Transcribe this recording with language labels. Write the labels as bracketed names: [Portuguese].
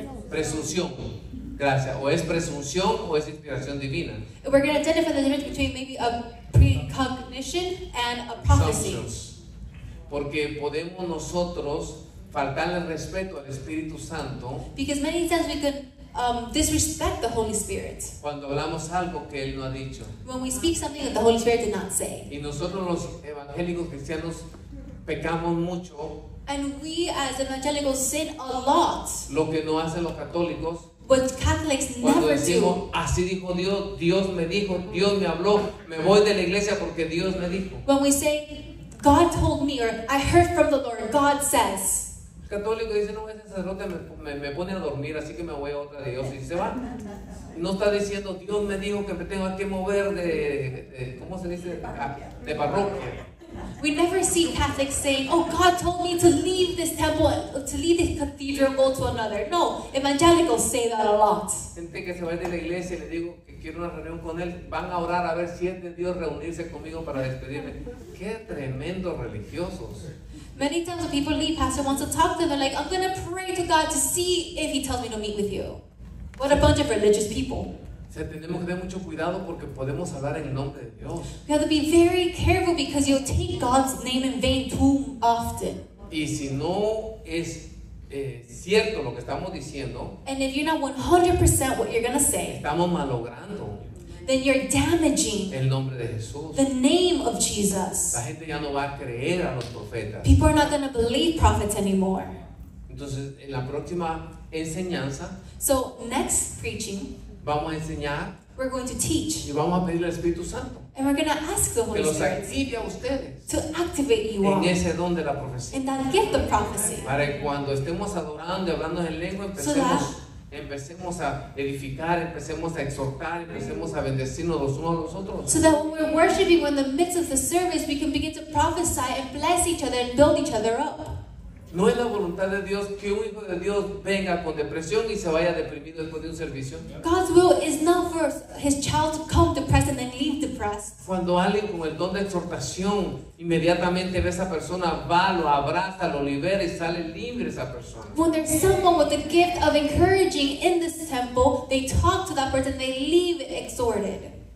[Spanish] Presunción. Gracias. O es presunción o es inspiración divina. [English] We're going to identify the difference between maybe a precognition and a prophecy. [Spanish] Porque podemos nosotros faltarle respeto al Espíritu Santo. [English] Because many times we could disrespect the Holy Spirit. [Spanish] Cuando hablamos algo que Él no ha dicho. [English] When we speak something that the Holy Spirit did not say. [Spanish] Y nosotros los evangélicos cristianos pecamos mucho. [English] And we as evangelicals sin a lot. [Spanish] Lo que no hacen los católicos. [English] What Catholics [Spanish] cuando [English] never [Spanish] decimos, [English] do. [Spanish] Así dijo Dios, Dios me dijo, Dios me habló, me voy de la iglesia porque Dios me dijo. [English] When we say, God told me, or I heard from the Lord, God says. [Spanish] El católico dice, no, ese sacerdote me pone a dormir, así que me voy a otra de Dios. Y se va. No está diciendo, Dios me dijo que me tengo que mover de ¿cómo se dice? De parroquia. [English] We never see Catholics saying, oh, God told me to leave this temple, to leave this cathedral and go to another. No, evangelicals say that a lot. [Spanish] Gente que se va de la iglesia y le digo que quiero una reunión con él, van a orar a ver si es de Dios reunirse conmigo para despedirme. Qué tremendo religiosos. [English] Many times when people leave, pastor wants to talk to them, they're like, I'm going to pray to God to see if he tells me to meet with you. What a bunch of religious people. [Spanish] O sea, tenemos que tener mucho cuidado porque podemos hablar en el nombre de Dios. [English] You have to be very careful because you'll take God's name in vain too often. [Spanish] Y si no es cierto lo que estamos diciendo, [English] and if you're not 100% what you're going to say, [Spanish] estamos malogrando, [English] then you're damaging [Spanish] el nombre de Jesús, [English] the name of Jesus. [Spanish] La gente ya no va a creer a los profetas. [English] People are not going to believe prophets anymore. [Spanish] Entonces, en la próxima enseñanza, [English] so next preaching, [Spanish] vamos a enseñar, [English] we're going to teach, [Spanish] y vamos a pedir al Espíritu Santo, [English] and we're going to ask the Holy Spirit to activate you [Spanish] en [English] all [Spanish] ese don de la profecía, [English] in that gift of prophecy, [Spanish] para cuando estemos adorando y hablando en lengua, empecemos a edificar, empecemos a exhortar, empecemos a bendecirnos los unos a los otros. [English] So that when we're worshiping, in the midst of the service, we can begin to prophesy and bless each other and build each other up. [Spanish] No es la voluntad de Dios que un hijo de Dios venga con depresión y se vaya deprimido después de un servicio. [English] God's will is not for his child to come depressed and then leave depressed. [Spanish] Cuando alguien con el don de exhortación inmediatamente ve a esa persona, va, lo abraza, lo libera y sale libre esa persona. [English] When there's someone with the gift of encouraging in this temple, they talk to that person, they leave exhorted.